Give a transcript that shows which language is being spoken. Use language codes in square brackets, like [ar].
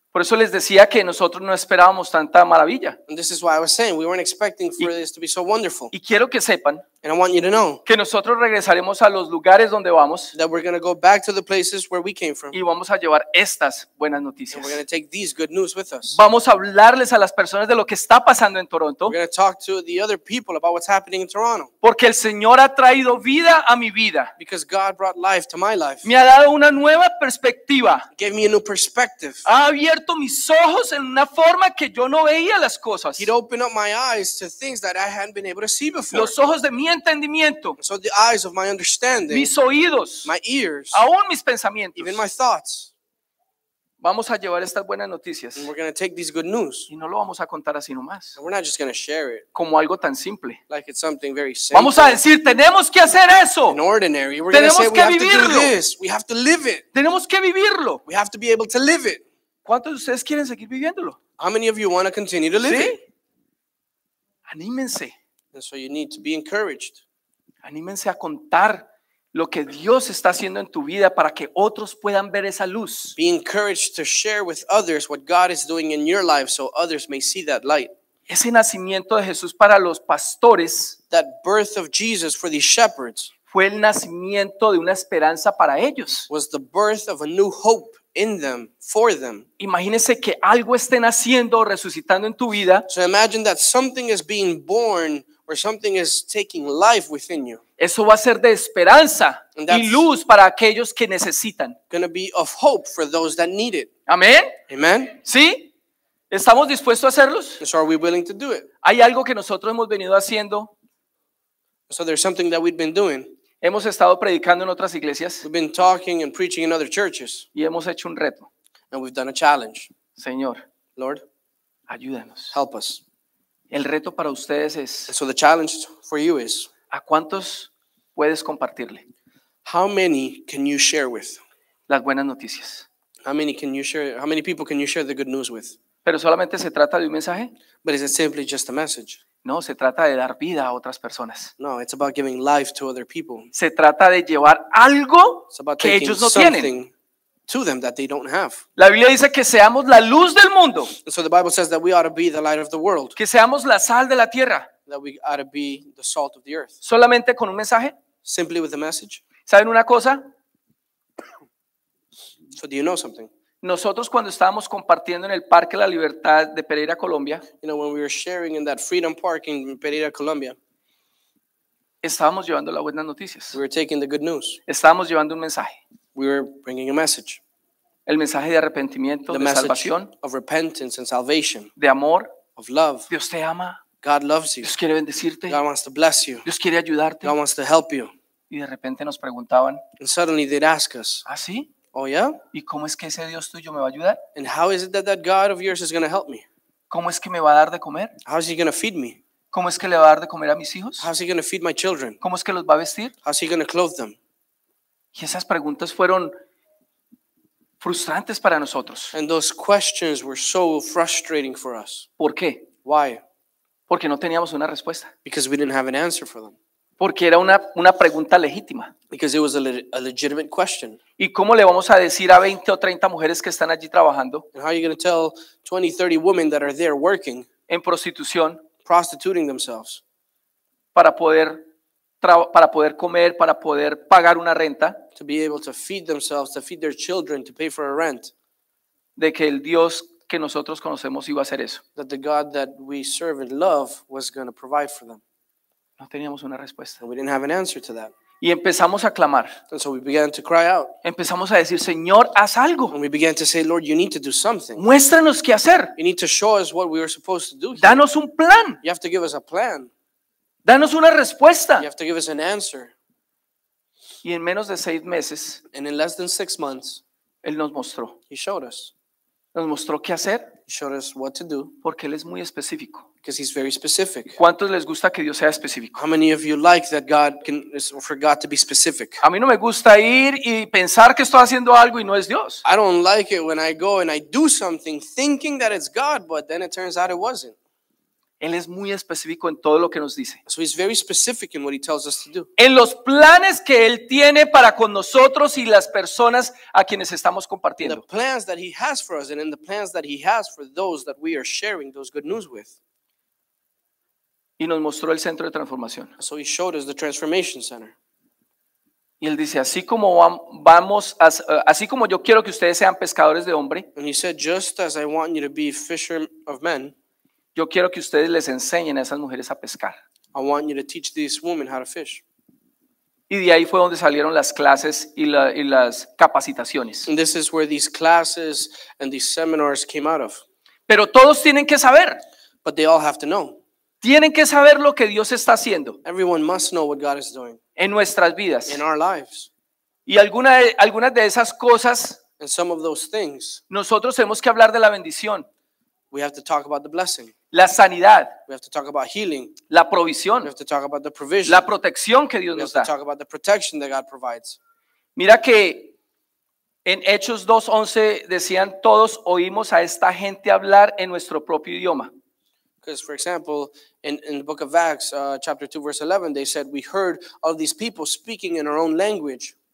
[es] Por eso les decía que nosotros no esperábamos tanta maravilla. [en] And this is why I was saying, we weren't expecting for this to be so wonderful. [es] Y quiero que sepan. [en] And I want you to know. [es] Que nosotros regresaremos a los lugares donde vamos. [en] That we're going to go back to the places where we came from. [es] Y vamos a llevar estas buenas noticias. [en] And we're going to take these good news with us. [es] Vamos a hablarles a las personas de lo que está pasando en Toronto. [en] We're going to talk to the other people about what's happening in Toronto. [es] Porque el Señor ha traído vida a mi vida. [en] Because God brought life to my life. [es] Me ha dado una nueva perspectiva. [en] Gave me a new perspective. [es] Ha abierto mis ojos en una forma que yo no veía las cosas. [en] He'd opened up my eyes to things that I hadn't been able to see before. [es] Los ojos de mi entendimiento, [en] so the eyes of my understanding, [es] mis oídos, [en] my ears, [es] aún mis pensamientos, [en] even my thoughts. [es] Vamos a llevar estas buenas noticias. [en] And we're going to take these good news. [es] Y no lo vamos a contar así nomás. [en] And we're not just going to share it. [es] Como algo tan simple. [en] Like it's something very simple. [es] Vamos a decir, tenemos que hacer eso. [en] In ordinary, we're going to say we have to do this. We have to live it. [es] Tenemos que vivirlo. [en] We have to be able to live it. [es] ¿Cuántos de ustedes quieren seguir viviéndolo? [en] How many of you want to continue to live [es] ¿Sí? [en] it? [es] Anímense. [en] And so you need to be encouraged. [es] Anímense a contar lo que Dios está haciendo en tu vida para que otros puedan ver esa luz. [en] Be encouraged to share with others what God is doing in your life so others may see that light. [es] Ese nacimiento de Jesús para los pastores, [en] that birth of Jesus for the shepherds, [es] fue el nacimiento de una esperanza para ellos. [en] Was the birth of a new hope in them, for them. [es] Imagínese que algo esté naciendo o resucitando en tu vida. [en] So imagine that something is being born or something is taking life within you. [es] Eso va a ser de esperanza y luz para aquellos que necesitan. [en] Going to be of hope for those that need it. [es] Amén. [en] Amen. [es] ¿Sí? ¿Estamos dispuestos a hacerlos? [en] So are we willing to do it? [es] Hay algo que nosotros hemos venido haciendo. [en] So there's something that we've been doing. [es] Hemos estado predicando en otras iglesias. [en] We've been talking and preaching in other churches. [es] Y hemos hecho un reto. [en] And we've done a challenge. [es] Señor, [en] Lord, [es] ayúdanos. [en] Help us. [es] El reto para ustedes es, [en] so the challenge for you is, [es] ¿a cuántos puedes compartirle? [en] How many can you share with? [es] Las buenas noticias. [en] How many can you share? How many people can you share the good news with? [es] Pero solamente se trata de un mensaje. [en] But is it simply just a message? [es] No, se trata de dar vida a otras personas. [en] No, it's about giving life to other people. [es] Se trata de llevar algo que ellos no tienen. [en] To them that they don't have. [es] La Biblia dice que seamos la luz del mundo. [en] And so the Bible says that we ought to be the light of the world. [es] Que seamos la sal de la tierra. [en] That we ought to be the salt of the earth. [es] Solamente con un mensaje. [en] Simply with a message. [es] ¿Saben una cosa? [en] So do you know something? [es] Nosotros cuando estábamos compartiendo en el Parque La Libertad de Pereira, Colombia, [en] you know, when we were sharing in that Freedom Park in Pereira, Colombia, [es] estábamos llevando las buenas noticias. [en] We were taking the good news. [es] Estábamos llevando un mensaje. [en] We were bringing a message. [es] El mensaje de arrepentimiento, [en] the [es] de salvación, [en] of repentance and salvation, [es] de amor, [en] of love. [es] Dios te ama. [en] God loves you. [es] Dios quiere bendecirte. [en] God wants to bless you. [es] Dios quiere ayudarte. [en] God wants to help you. [es] Y de repente nos preguntaban, [en] and suddenly they'd ask us, [es] ¿ah, sí? [en] Oh yeah? [es] ¿Y cómo es que ese Dios tuyo me va a ayudar? [en] And how is it that that God of yours is going to help me? [es] ¿Cómo es que me va a dar de comer? [en] How is he going to feed me? [es] ¿Cómo es que le va a dar de comer a mis hijos? [en] How is he going to feed my children? [es] ¿Cómo es que los va a vestir? [en] How is he going to clothe them? [es] Y esas preguntas fueron frustrantes para nosotros. [en] And those questions were so frustrating for us. [es] ¿Por qué? [en] Why? [es] Porque no teníamos una respuesta. [en] Because we didn't have an answer for them. [es] Porque era una pregunta legítima. [en] Because it was a legitimate question. [es] ¿Y cómo le vamos a decir a 20 o 30 mujeres que están allí trabajando? [en] And how are you going to tell 20, 30 women that are there working? [es] En prostitución. [en] Prostituting themselves. [es] Para poder comer, para poder pagar una renta. [en] To be able to feed themselves, to feed their children, to pay for a rent. [es] De que el Dios que nosotros conocemos iba a hacer eso. [en] That the God that we serve and love was going to provide for them. [es] No teníamos una respuesta. [en] We didn't have an answer to that. [es] Y empezamos a clamar. [en] And so we began to cry out. [es] Empezamos a decir, Señor, haz algo. [en] And we began to say, Lord, you need to do something. [es] Muéstranos qué hacer. [en] You need to show us what we are supposed to do. [es] Danos un plan. [en] You have to give us a plan. [es] Danos una respuesta. [en] You have to give us an answer. [es] Y en menos de 6 meses. [en] And in less than 6 months. [es] Él nos mostró. [en] He showed us. [es] Nos mostró qué hacer. [en] He showed us what to do. [es] Porque él es muy específico. [en] Because he's very specific. [es] ¿Cuántos les gusta que Dios sea específico? [en] How many of you like that God can for God to be specific? [es] A mí no me gusta ir y pensar que estoy haciendo algo y no es Dios. [en] I don't like it when I go and I do something thinking that it's God, but then it turns out it wasn't. [es] Él es muy específico en todo lo que nos dice. [en] So he's very specific in what he tells us to do. [es] En los planes que él tiene para con nosotros y las personas a quienes estamos compartiendo. [en] The plans that he has for us and in the plans that he has for those that we are sharing those good news with. [es] Y nos mostró el centro de transformación. [en] So he showed us the transformation center. [es] Y él dice, así como vamos, así como yo quiero que ustedes sean pescadores de hombre. [en] And he said, just as I want you to be fisher of men. [es] Yo quiero que ustedes les enseñen a esas mujeres a pescar. [en] I want you to teach these women how to fish. [es] Y de ahí fue donde salieron las clases y las capacitaciones. [en] And this is where these classes and these seminars came out of. [es] Pero todos tienen que saber. [en] But they all have to know. [es] Tienen que saber lo que Dios está haciendo. [en] Everyone must know what God is doing. [es] En nuestras vidas. [en] In our lives. [es] Y algunas de esas cosas. [en] And some of those things. [es] Nosotros tenemos que hablar de la bendición. [en] We have to talk about the blessing. [es] La sanidad. [en] We have to talk about healing. [es] La provisión. [en] We have to talk about the provision. [es] La protección que Dios nos da. [en] We have to talk about the protection that God provides. [es] Mira que en Hechos 2:11 decían todos oímos a esta gente hablar en nuestro propio idioma. [en] Because, for example, in the book of Acts, chapter 2, verse 11, they said, we heard all these people speaking in our own language.